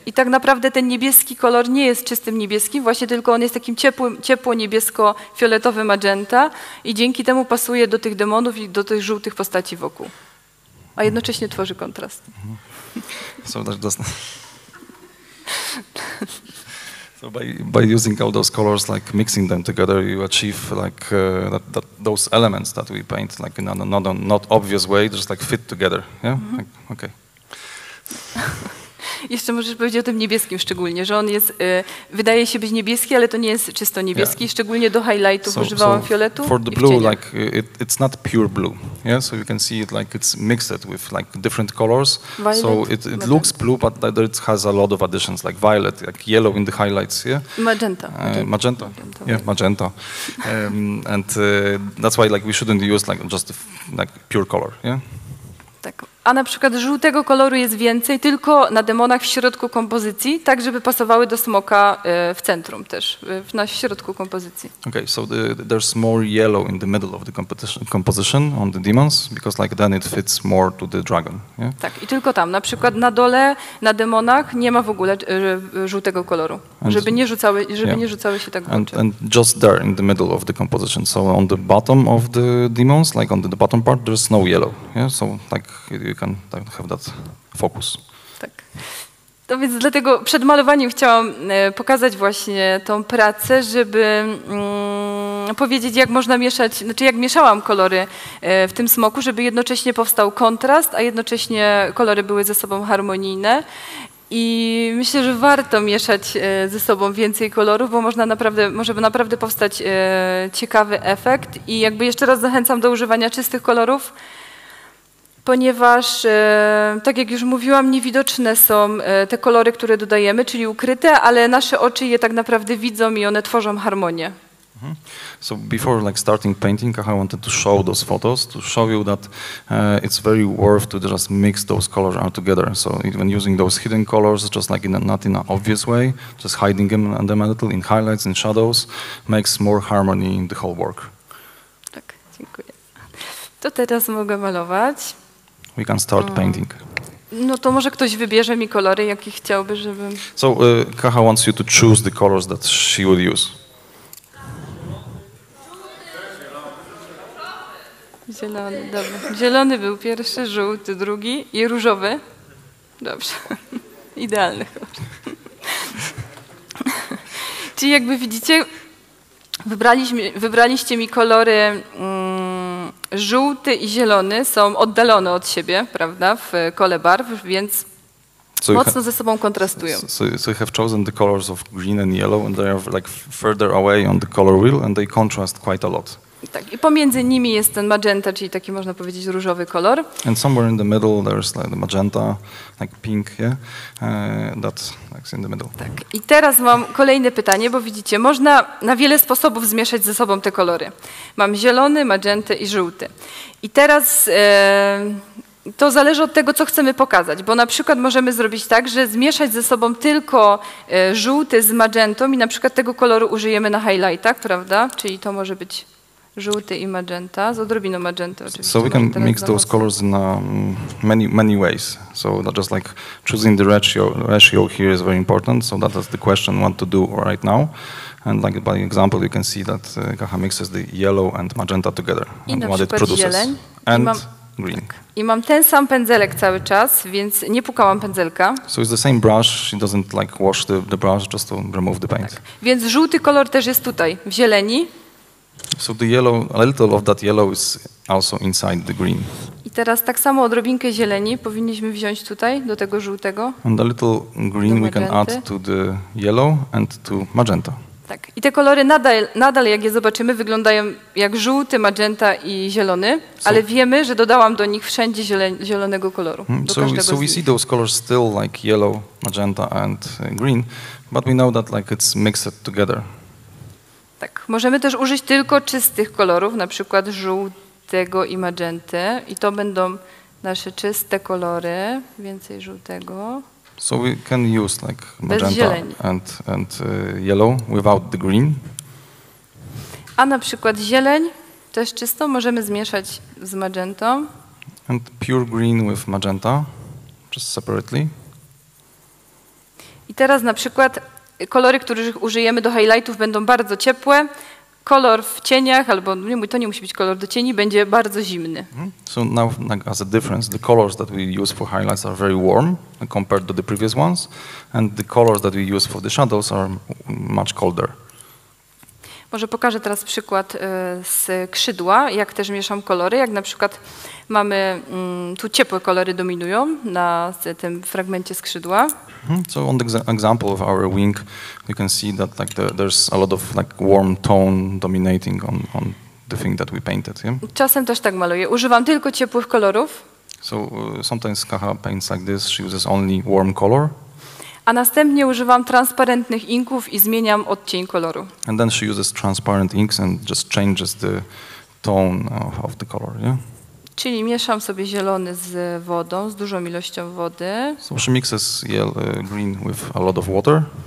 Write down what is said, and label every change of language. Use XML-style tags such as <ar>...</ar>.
<pl>I tak naprawdę ten niebieski kolor nie jest czystym niebieskim, właśnie tylko on jest takim ciepło-niebiesko-fioletowym magenta i dzięki temu pasuje do tych demonów i do tych żółtych postaci wokół. A jednocześnie tworzy kontrast.</pl> <en>So by using all those colors, like mixing them together, you achieve like that those elements that we paint like in a not obvious way, just like fit together. Yeah? Mm-hmm. Like, okay.</en> <pl>Jeszcze możesz powiedzieć o tym niebieskim szczególnie, że on jest, wydaje się być niebieski, ale to nie jest czysto niebieski,</pl> <en>yeah.</en> <pl>Szczególnie do highlightów używałam fioletu.</pl> <en>For the blue, like it's not pure blue, yeah? So you can see it like it's mixed with like different colors. Violet, so it looks blue, but it has a lot of additions, like violet, like yellow in the highlights, yeah? Magenta. And that's why like we shouldn't use like just like pure color, yeah?</en> <pl>Tak. A na przykład żółtego koloru jest więcej tylko na demonach w środku kompozycji, tak żeby pasowały do smoka w centrum też, w środku kompozycji.</pl> <en>Okay, so there's more yellow in the middle of the composition on the demons, because like then it fits more to the dragon. Yeah?</en> <pl>Tak, i tylko tam, na przykład na dole, na demonach nie ma w ogóle żółtego koloru, żeby nie rzucały się tak w oczy.</pl> <en>And just there in the middle of the composition, so on the bottom of the demons, like on the bottom part, there's no yellow. Yeah? So like you can have that focus.</en> <pl>Tak. To więc dlatego przed malowaniem chciałam pokazać właśnie tą pracę, żeby powiedzieć, jak można mieszać, znaczy jak mieszałam kolory w tym smoku, żeby jednocześnie powstał kontrast, a jednocześnie kolory były ze sobą harmonijne. I myślę, że warto mieszać ze sobą więcej kolorów, bo można naprawdę, może naprawdę powstać ciekawy efekt. I jakby jeszcze raz zachęcam do używania czystych kolorów, ponieważ, tak jak już mówiłam, niewidoczne są te kolory, które dodajemy, czyli ukryte, ale nasze oczy je tak naprawdę widzą i one tworzą harmonię.</pl> <en>So before like starting painting, I wanted to show those photos to show you that it's very worth to just mix those colors all together. So even using those hidden colors, just like in a, not in an obvious way, just hiding them a little in highlights, in shadows, makes more harmony in the whole work.</en> <pl>Tak, dziękuję. To teraz mogę malować.</pl> <en>We can start painting.</en> <pl>No to może ktoś wybierze mi kolory, jakie chciałby, żebym...</pl> <en>So Kaha wants you to choose the colors that she will use.</en> <pl>Zielony, dobra. Zielony był pierwszy, żółty drugi i różowy. Dobrze. Idealny kolor. Czyli jakby widzicie, wybraliście mi kolory żółty i zielony, są oddalone od siebie, prawda, w kole barw, więc</pl> <en>so</en> <pl>mocno ze sobą kontrastują.</pl> <en>So you have chosen the colors of green and yellow and they are like further away on the color wheel and they contrast quite a lot.</en> <pl>Tak, i pomiędzy nimi jest ten magenta, czyli taki można powiedzieć różowy kolor.</pl> <en>And somewhere in the middle there's like the magenta, like pink, yeah? That's in the middle.</en> <pl>Tak, i teraz mam kolejne pytanie, bo widzicie, można na wiele sposobów zmieszać ze sobą te kolory. Mam zielony, magenty i żółty. I teraz to zależy od tego, co chcemy pokazać, bo na przykład możemy zrobić tak, że zmieszać ze sobą tylko żółty z magentą i na przykład tego koloru użyjemy na highlightach, prawda? Czyli to może być... żółty i magenta, z odrobiną magenty oczywiście.</pl> <en>So we can mix those colors in many ways. So not just like choosing the ratio here is very important. So that is the question we want to do right now. And like by example, you can see that Kaha mixes the yellow and magenta together.</en> <pl>I</pl> <en>and what it produces.</en> <pl>Zieleń.</pl> <en>And</en> <pl>I mam,</pl> <en>green.</en> <pl>Tak. I mam ten sam pędzelek cały czas, więc nie pukałam pędzelka.</pl> <en>So it's the same brush. She doesn't like wash the brush just to remove the paint.</en> <pl>Tak. Więc żółty kolor też jest tutaj, w zieleni.</pl> <en>So the yellow, a little of that yellow is also inside the green.</en> <pl>I teraz tak samo odrobinkę zieleni powinniśmy wziąć tutaj do tego żółtego.</pl> <en>And a little green we can add to the yellow and to magenta.</en> <pl>Tak. I te kolory nadal jak je zobaczymy wyglądają jak żółty, magenta i zielony,</pl> <en>so,</en> <pl>ale wiemy, że dodałam do nich wszędzie zielonego koloru.</pl> <en>So we see those colors still like yellow, magenta and green, but we know that like it's mixed together.</en> <pl>Tak, możemy też użyć tylko czystych kolorów, na przykład żółtego i magenty. I to będą nasze czyste kolory, więcej żółtego.</pl> <en>So we can use like magenta and yellow without the green.</en> <pl>A na przykład zieleń też czystą możemy zmieszać z magentą.</pl> <en>And pure green with magenta, just separately.</en> <pl>I teraz na przykład... kolory, których użyjemy do highlightów będą bardzo ciepłe. Kolor w cieniach, albo to nie musi być kolor do cieni, będzie bardzo zimny.</pl> <en>So now, like, as a difference, the colors that we use for highlights are very warm compared to the previous ones, and the colors that we use for the shadows are much colder.</en> <pl>Może pokażę teraz przykład z krzydła, jak też mieszam kolory. Jak na przykład mamy, tu ciepłe kolory dominują na tym fragmencie skrzydła.</pl> <en>So on the example of our wing, you can see that like there's a lot of like warm tone dominating on the thing that we painted. Yeah?</en> <pl>Czasem też tak maluję. Używam tylko ciepłych kolorów.</pl> <en>So sometimes Kaha paints like this, she uses only warm color.</en> <pl>A następnie używam transparentnych inków i zmieniam odcień koloru.</pl> <en>And then she uses transparent inks and just changes the tone of the color, yeah?</en> <pl>Czyli mieszam sobie zielony z wodą, z dużą ilością wody.</pl> <en>So she mixes yellow, green with a lot of water.</en>